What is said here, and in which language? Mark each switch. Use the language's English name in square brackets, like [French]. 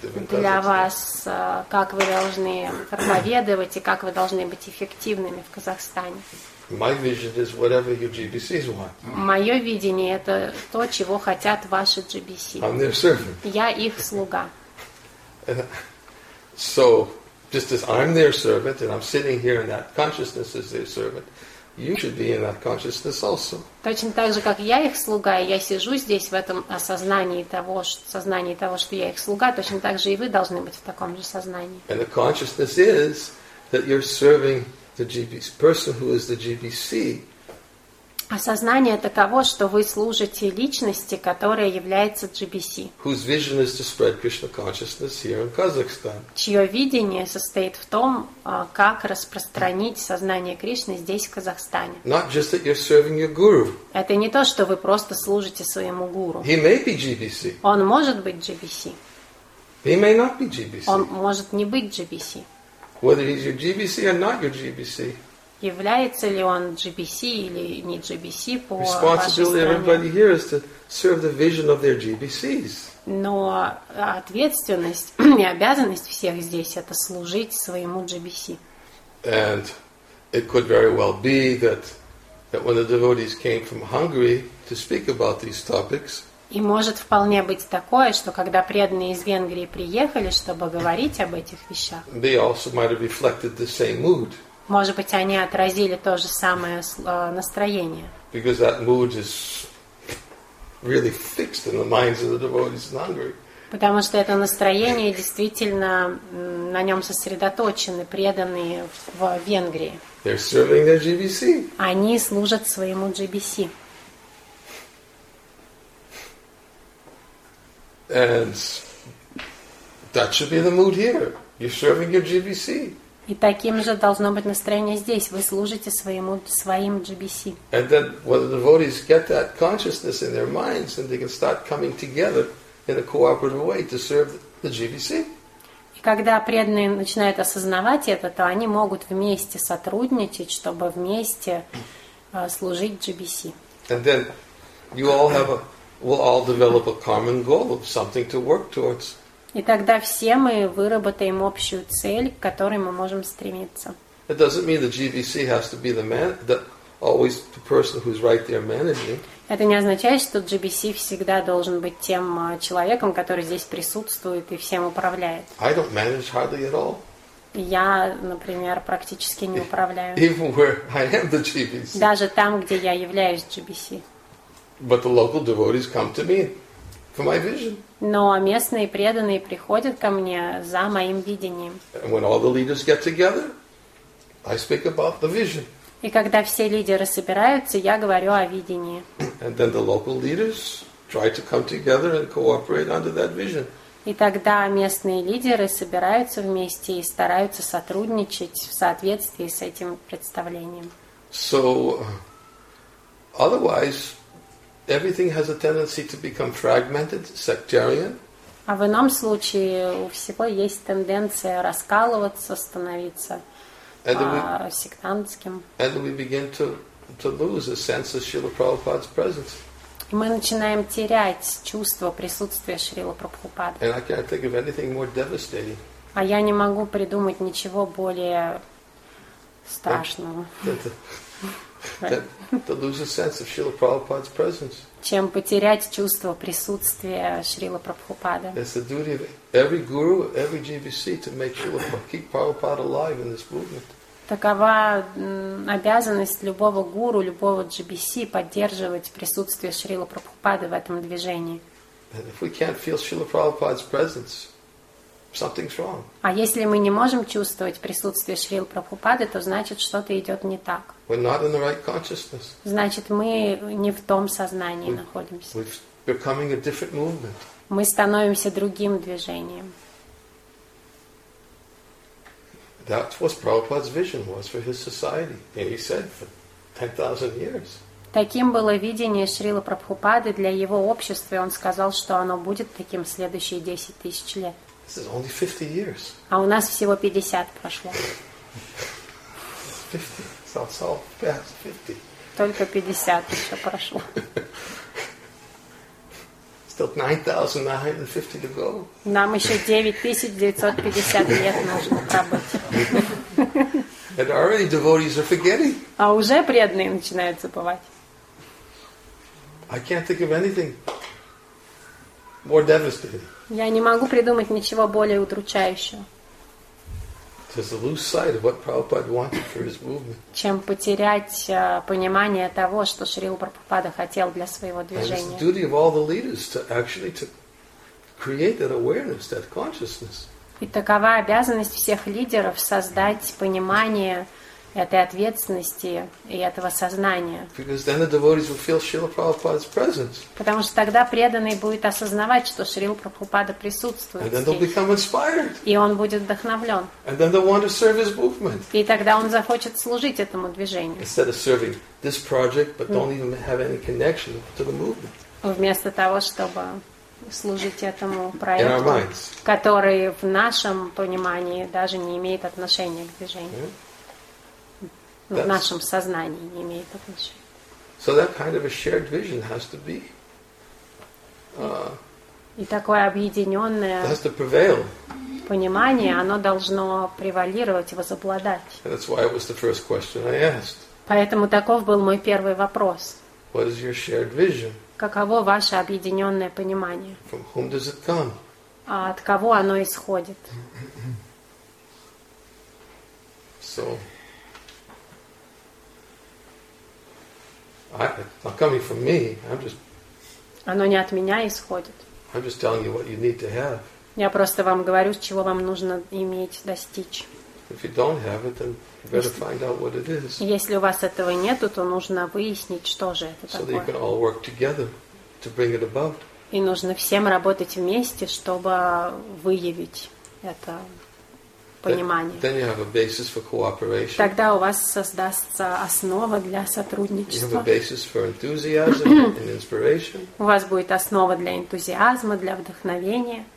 [Russian] Для вас, как вы должны проповедовать и как вы должны быть эффективными в Казахстане. [English] My vision is whatever your GBCs want. [Russian] Мое видение – это то, чего хотят ваши GBC. [English] I'm their servant. [Russian] Я их слуга. [English] So, just as I'm their servant and I'm sitting here in that consciousness as their servant, you should be in that consciousness also. [Russian] Точно так же, как я их слуга, и я сижу здесь в этом осознании того, что я их слуга, точно так же и вы должны быть в таком же сознании. [English] And the consciousness is that you're serving the GBC, person who is the GBC. [Russian] Осознание таково, что вы служите личности, которая является GBC. [English] Whose vision is to spread Krishna consciousness here in Kazakhstan? [Russian] Чье видение состоит в том, как распространить сознание Кришны здесь, в Казахстане. [English] Not just that you're serving your guru. [Russian] Это не то, что вы просто служите своему гуру. [English] He may be GBC. [Russian] Он может быть GBC. [English] He may not be GBC. [Russian] Он может не быть GBC. [English] Whether he's your GBC or not your GBC. [Russian] Является ли он GBC или не GBC по вашей стране. [English] Responsibility of everybody here is to serve the vision of their GBCs. [Russian] Но ответственность и обязанность всех здесь – это служить своему GBC. [English] And it could very well be that when the devotees came from Hungary to speak about these topics. [Russian] И может вполне быть такое, что когда преданные из Венгрии приехали, чтобы говорить об этих вещах. [English] They also might have reflected the same mood. [Russian] Может быть, они отразили то же самое настроение. [English] Because that mood is really fixed in the minds of the devotees in Hungary. [Russian] Потому что это настроение действительно на нем сосредоточены преданные в Венгрии. [English] They're serving their GBC. [Russian] Они служат своему GBC. [English] And that should be the mood here. You're serving your GBC. [Russian] И таким же должно быть настроение здесь. Вы служите своим GBC. [English] And then when the devotees get that consciousness in their minds, then they can start coming together in a cooperative way to serve the GBC. [Russian] И когда преданные начинают осознавать это, то они могут вместе сотрудничать, чтобы вместе служить GBC. [English] And then you all have we'll all develop a common goal of something to work towards. [Russian] И тогда все мы выработаем общую цель, к которой мы можем стремиться. [English] It doesn't mean the GBC has to be the man, that always the person who's right there managing. [Russian] Это не означает, что GBC всегда должен быть тем человеком, который здесь присутствует и всем управляет. [English] I don't manage hardly at all. [Russian] Я, например, практически не управляю. [English] Even where I am the GBC. [Russian] Даже там, где я являюсь GBC. [English] But the local devotees come to me for my vision. [Russian] Но местные преданные приходят ко мне за моим видением. [English] And when all the leaders get together, I speak about the vision. [Russian] И когда все лидеры собираются, я говорю о видении. [English] And then the local leaders try to come together and cooperate under that vision. [Russian] И тогда местные лидеры собираются вместе и стараются сотрудничать в соответствии с этим представлением. [English] So, otherwise, everything has a tendency to become fragmented, sectarian. [Russian] А в ином случае у всего есть тенденция раскалываться, становиться сектантским. [English] And we begin to lose a sense of Srila Prabhupada's presence. [Russian] И мы начинаем терять чувство присутствия Шрилы Прабхупады. [English] And I can't think of anything more devastating. [Russian] А я не могу придумать ничего более страшного. [English] To lose a sense of Srila Prabhupada's presence. [Russian] Чем потерять чувство присутствия Шрилы Прабхупады. [English] It's the duty of every guru, every GBC to make sure to keep Prabhupada alive in this movement. [Russian] Такова обязанность любого гуру, любого GBC поддерживать присутствие Шрилы Прабхупады в этом движении. [English] And if we can't feel Srila Prabhupada's presence, something's wrong. [Russian] А если мы не можем чувствовать присутствие Шрилы Прабхупады, то значит что-то идет не так. [English] We're not in the right consciousness. [Russian] Значит, мы не в том сознании находимся. [English] We're becoming a different movement. [Russian] Мы становимся другим движением. [English] That's what Prabhupada's vision was for his society, and he said for 10,000 years. [Russian] Таким было видение Шрилы Прабхупады для его общества, и он сказал, что оно будет таким следующие 10 тысяч лет. [English] This is only 50 years. [Russian] А у нас всего 50 прошло. [English] 50. It's all past 50. [Russian] Только 50 еще прошло. [English] Still 9,950 to go. [Russian] Нам еще 9,950 лет нужно пробыть. [English] And already devotees are forgetting. [Russian] А уже преданные начинают забывать. [English] I can't think of anything more devastating. [Russian] Я не могу придумать ничего более удручающего. [English] There's a loose sight of what Prabhupada wanted for his movement. [Russian] Чем потерять понимание того, что Шрила Прабхупада хотел для своего движения. [English] And it's the duty of all the leaders to actually to create that awareness, that consciousness. [Russian] И такова обязанность всех лидеров создать понимание этой ответственности и этого сознания. [English] Because then the devotees will feel Srila Prabhupada's presence. [Russian] Потому что тогда преданный будет осознавать, что Шрила Прабхупада присутствует. [English] And then they'll become inspired. [Russian] И он будет вдохновлен. [English] And then they'll want to serve his movement. [Russian] И тогда он захочет служить этому движению. [English] Instead of serving this project, but don't even have any connection to the movement. [Russian] Вместо того, чтобы служить этому проекту, который в нашем понимании даже не имеет отношения к движению. В нашем сознании не имеет отношения. [English] So that kind of a shared vision has to be. [Russian] И такое объединенное [English] has to prevail. [Russian] Понимание, оно должно превалировать, возобладать. [English] That's why it was the first question I asked. [Russian] Поэтому таков был мой первый вопрос. [English] What is your shared vision? [Russian] Каково ваше объединенное понимание? [English] From whom does it come? [Russian] А от кого оно исходит? [English] So. It's not coming from me. I'm just. [Russian] Оно не от меня исходит. [English] I'm just telling you what you need to have. [Russian] Я просто вам говорю, чего вам нужно иметь, достичь. [English] If you don't have it, then you better find out what it is. [Russian] Если у вас этого нету, то нужно выяснить, что же это такое. [English] So that you can all work together to bring it about. [Russian] И нужно всем работать вместе, чтобы выявить это. [English] Then you have a basis for cooperation. [Russian] Тогда у вас создастся основа для сотрудничества. [English] You have a basis for enthusiasm and inspiration. [Russian] У вас будет основа для энтузиазма, для вдохновения.